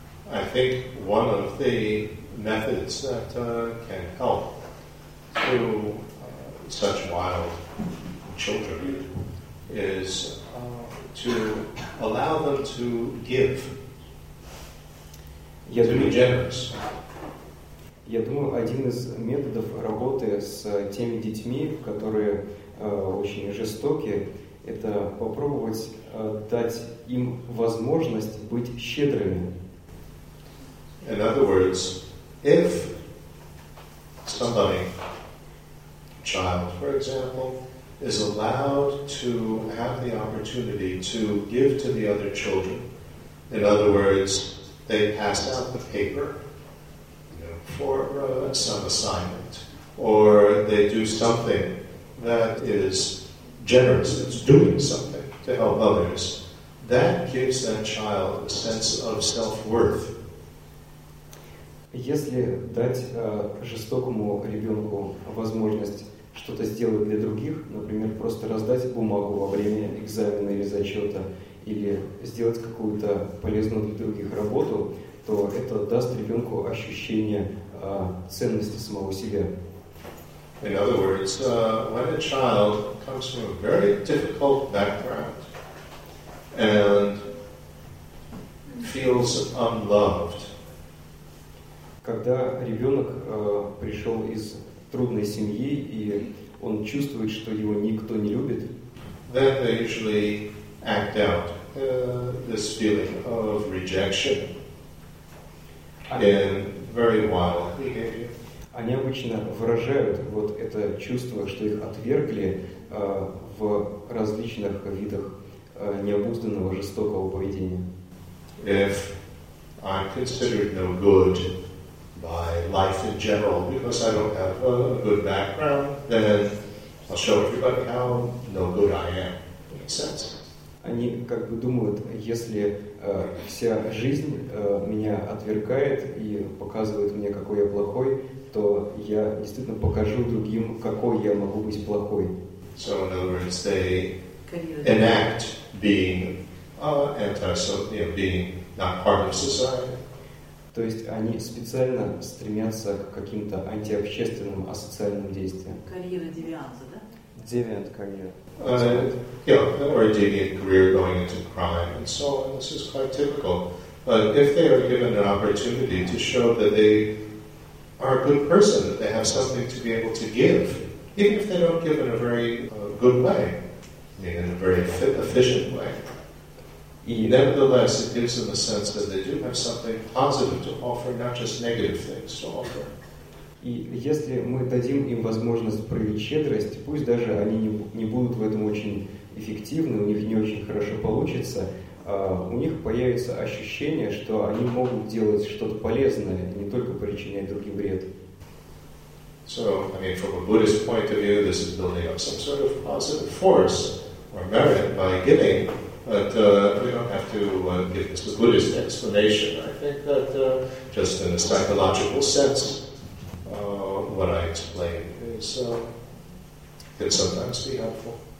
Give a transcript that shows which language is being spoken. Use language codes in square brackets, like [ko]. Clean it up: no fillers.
[en] I think one of the methods that can help to such wild children is to allow them to give, yes, to be generous. [ru] Я думаю, один из методов работы с теми детьми, которые очень жестоки, это попробовать дать им возможность быть щедрыми. [en] In other words, if somebody, child, for example, is allowed to have the opportunity to give to the other children, in other words, they pass out the paper, for some assignment, or they do something that is generous, it's doing something to help others, that gives that child a sense of self-worth. [ru] Если дать жестокому ребенку возможность что-то сделать для других, например, просто раздать бумагу во время экзамена или зачета, или сделать какую-то полезную для других работу, то это даст ребенку ощущение ценности самого себя. [en] In other words, when a child comes from a very difficult background and feels unloved, [ru] когда ребенок пришел из трудной семьи и он чувствует, что его никто не любит, [en] then they usually act out this feeling of rejection in very wild behavior. [ru] Они обычно выражают вот это чувство, что их отвергли в различных видах необузданного жестокого поведения. [en] If I'm considered no good by life in general because I don't have a good background, then I'll show everybody how no good I am. Makes sense. [ru] Они как бы думают, если вся жизнь меня отвергает и показывает мне, какой я плохой, то я действительно покажу другим, какой я могу быть плохой. [en] So, in other words, they enact being being not part of society. [ru] То есть они специально стремятся к каким-то антиобщественным, асоциальным действиям. Карьера девианса, да? [en] Deviant career. Or a deviant career going into crime and so on. This is quite typical. But if they are given an opportunity to show that they are a good person, that they have something to be able to give, even if they don't give in a very good way, in a very efficient way, nevertheless, it gives them a sense that they do have something positive to offer, not just negative things to offer. [ru] И если мы дадим им возможность проявить щедрость, пусть даже они не будут в этом очень эффективны, у них не очень хорошо получится, у них появится ощущение, что они могут делать что-то полезное, не только причинять другим вред. [en] So, I mean, from a Buddhist point of view, this is building up some sort of positive force or merit by giving, but we don't have to give this a Buddhist explanation. I think that just in a psychological sense, what I explain is can sometimes be helpful.